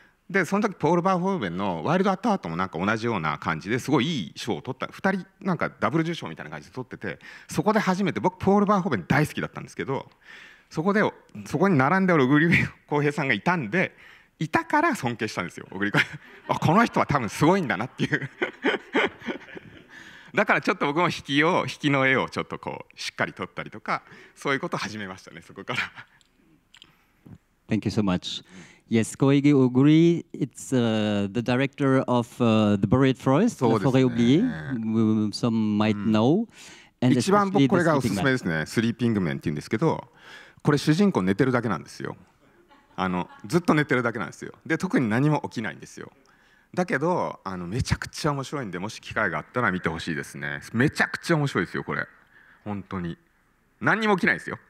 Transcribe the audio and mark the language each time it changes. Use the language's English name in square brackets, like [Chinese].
[Japanese] でその時ポール・バーホーベンのワイルド・アット・ハートもなんか同じような感じですごいいい賞を取った、2人なんかダブル受賞みたいな感じで取ってて、そこで初めて、僕ポール・バーホーベン大好きだったんですけど、そこに並んでおる小栗浩平さんがいたから尊敬したんですよ。小栗浩平この人は多分すごいんだなっていうだからちょっと僕も引きの絵をちょっとこうしっかり撮ったりとか、そういうことを始めましたね、そこから。 [English] Thank you so much. Yes, Koigi Oguri, it's the director of the Buried Forest, La Forêt Oubliée, some might know. [Japanese] And 一番これがおすすめですね、Sleeping Man っていうんですけど、これ主人公寝てるだけなんですよ。ずっと寝てるだけなんですよ。で特に何も起きないんですよ。だけどめちゃくちゃ面白いんで、もし機会があったら見てほしいですね。めちゃくちゃ面白いですよこれ。本当に何にも起きないですよ。